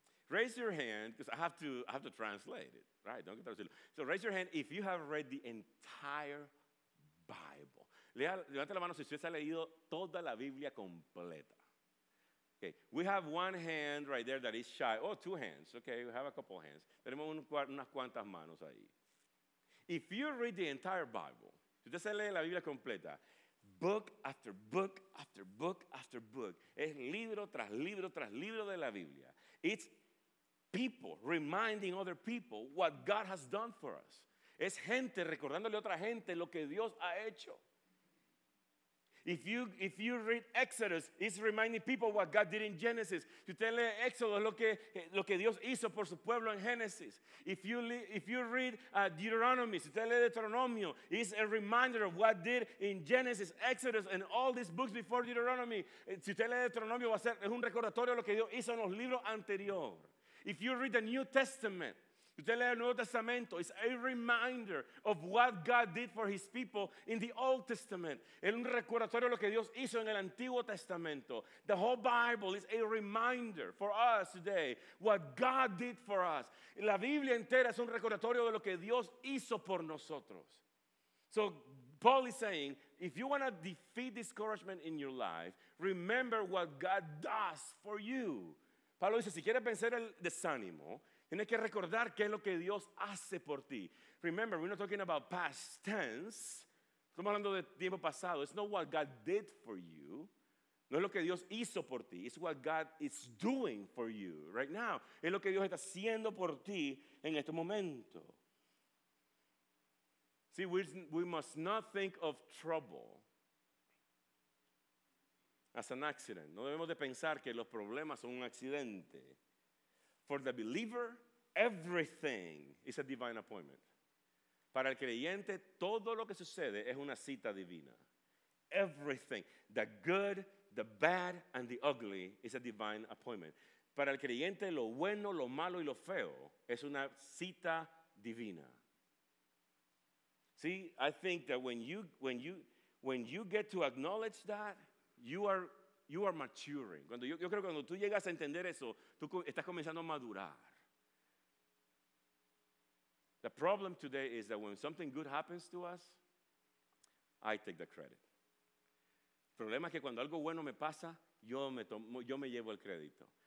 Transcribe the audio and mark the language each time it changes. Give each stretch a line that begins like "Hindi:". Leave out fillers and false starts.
English: Raise your hand, because I have to translate it, right? Don't get that. So raise your hand if you have read the entire Bible.
Spanish: Levante la mano si usted ha leído toda la Biblia completa.
English: Okay, we have one hand right there that is shy. Oh, two hands. Okay, we have a couple of hands.
Spanish: Tenemos unas cuantas manos ahí.
English: If you read the entire Bible,
Spanish: si usted se lee la Biblia completa,
English: book after book after book after book,
Spanish: es libro tras libro tras libro de la Biblia.
English: It's people reminding other people what God has done for us.
Spanish: Es gente recordándole a otra gente lo que Dios ha hecho.
English: If you read Exodus, it's reminding people what God did in Genesis.
Spanish: Si usted lee Éxodo, lo que Dios hizo por su pueblo en Génesis.
English: If you read Deuteronomy,
Spanish: si usted lee Deuteronomio,
English: it's a reminder of what did in Genesis, Exodus, and all these books before Deuteronomy.
Spanish: Si usted lee Deuteronomio, es un recordatorio de lo que Dios hizo en los libros anteriores.
English: If you read the New Testament,
Spanish: si usted lee el Nuevo Testamento,
English: it's a reminder of what God did for his people in the Old Testament.
Spanish: Es un recordatorio de lo que Dios hizo en el Antiguo Testamento.
English: The whole Bible is a reminder for us today what God did for us.
Spanish: La Biblia entera es un recordatorio de lo que Dios hizo por nosotros.
English: So Paul is saying, if you want to defeat discouragement in your life, remember what God does for you.
Spanish: Pablo dice, si quieres vencer el desánimo, tienes que recordar qué es lo que Dios hace por ti.
English: Remember, we're not talking about past tense.
Spanish: Estamos hablando de tiempo pasado.
English: It's not what God did for you.
Spanish: No es lo que Dios hizo por ti.
English: It's what God is doing for you right now.
Spanish: Es lo que Dios está haciendo por ti en este momento.
English: See, we must not think of trouble as an accident.
Spanish: No debemos de pensar que los problemas son un accidente.
English: For the believer, everything is a divine appointment.
Spanish: Para el creyente, todo lo que sucede es una cita divina.
English: Everything, the good, the bad, and the ugly is a divine appointment.
Spanish: Para el creyente, lo bueno, lo malo y lo feo es una cita divina.
English: See, I think that when you get to acknowledge that, you are maturing.
Spanish: Yo creo que cuando tú llegas a entender eso, tú estás comenzando a madurar.
English: The problem today is that when something good happens to us, I take the credit.
Spanish: El problema es que cuando algo bueno me pasa, yo me llevo el crédito.